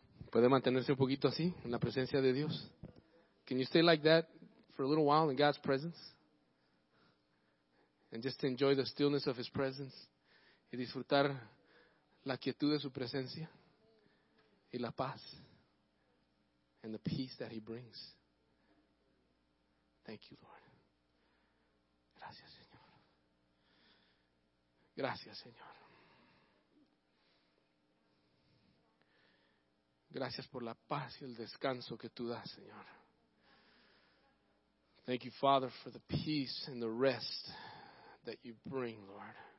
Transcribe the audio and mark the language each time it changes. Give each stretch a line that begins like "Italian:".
Spanish: ¿Puede mantenerse un poquito así en la presencia de Dios?
English: Can you stay like that for a little while in God's presence? And just enjoy the stillness of His presence.
Spanish: Y disfrutar la quietud de su presencia. Y la paz.
English: And the peace that He brings. Thank you, Lord.
Spanish: Gracias, Señor. Gracias, Señor. Gracias por la paz y el descanso que tú das, Señor.
English: Thank you, Father, for the peace and the rest that you bring, Lord.